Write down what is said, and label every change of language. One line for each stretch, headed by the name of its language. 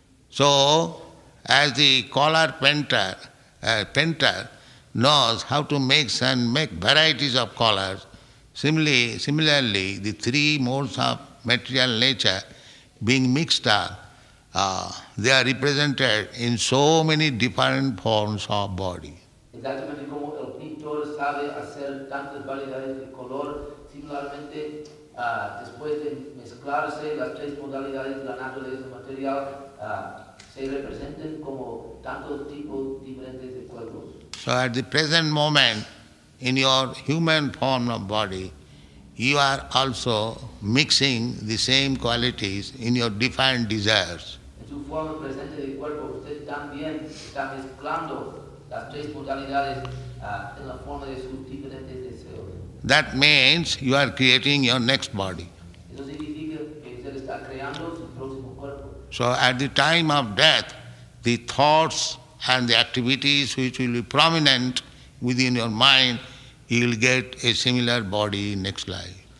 English: So, as the collar painter knows how to make varieties of collars, similarly, the three modes of material nature being mixed up, they are represented in so many different forms of body.
Spanish: Exactamente como el pintor sabe hacer tantas variedades de color, similarmente, después de mezclarse las tres modalidades de la naturaleza material, se representan como tantos tipos diferentes de cuerpos.
English: So at the present moment, in your human form of body, you are also mixing the same qualities in your different desires.
Spanish: En su forma presente de cuerpo, usted también está mezclando las tres modalidades en la forma de sus diferentes deseos.
English: That means you are creating your next body.
Spanish: Eso significa que usted está creando su próximo cuerpo.
English: So at the time of death, the thoughts and the activities which will be prominent within your mind, you will get a similar body next life.